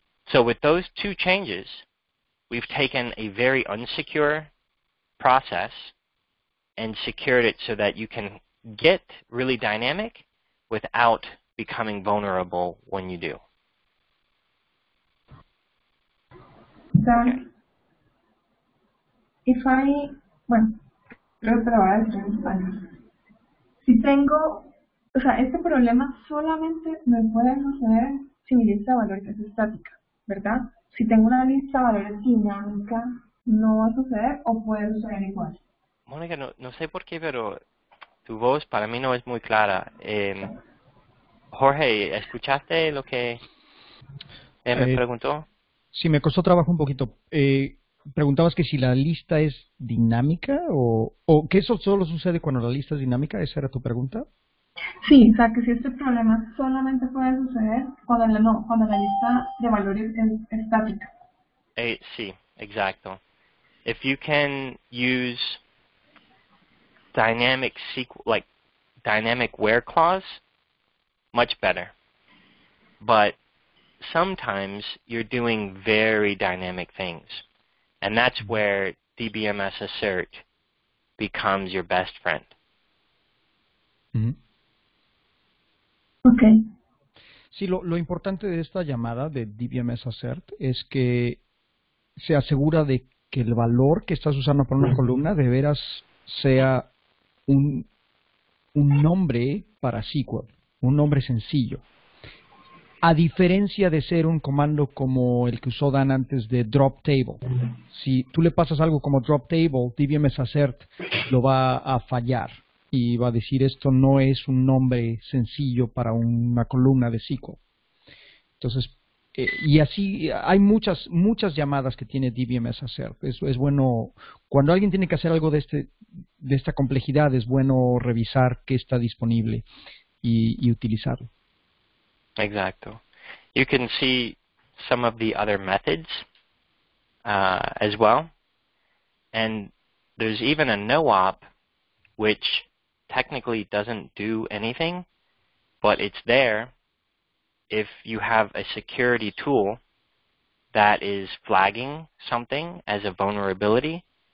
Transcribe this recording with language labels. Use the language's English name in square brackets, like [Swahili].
[English] So with those two changes, we've taken a very unsecure process and secured it so that you can get really dynamic without becoming vulnerable when you do. [Spanish] Dan, [English] if I, [Spanish] bueno, creo que lo voy a decir en español. Si tengo, o sea, este problema solamente me puede suceder si mi lista de valores es estática, ¿verdad? Si tengo una lista de valores dinámica, ¿no va a suceder o puede suceder igual? Mónica, no sé por qué, pero tu voz para mí no es muy clara. Jorge, ¿escuchaste lo que me preguntó? Sí, me costó trabajo un poquito. Preguntabas que si la lista es dinámica o que eso solo sucede cuando la lista es dinámica, ¿esa era tu pregunta? Sí, o sea, que si este problema solamente puede suceder cuando cuando la lista de valores es estática. Sí, exacto. [English] If you can use dynamic SQL, like dynamic where clause, much better. But sometimes you're doing very dynamic things, and that's where DBMS assert becomes your best friend. Mm-hmm. Okay. [Spanish] Sí, lo importante de esta llamada de DBMS assert es que se asegura de que el valor que estás usando para una columna de veras sea un nombre para SQL, un nombre sencillo. A diferencia de ser un comando como el que usó Dan antes de drop table. Si tú le pasas algo como drop table, DBMS assert lo va a fallar y va a decir esto no es un nombre sencillo para una columna de SQL. Entonces, y así hay muchas llamadas que tiene DBMS assert. Eso es bueno. Cuando alguien tiene que hacer algo de esta complejidad, es bueno revisar qué está disponible y utilizarlo. Exacto. [English] You can see some of the other methods as well. And there's even a no-op, which technically doesn't do anything, but it's there if you have a security tool that is flagging something as a vulnerability.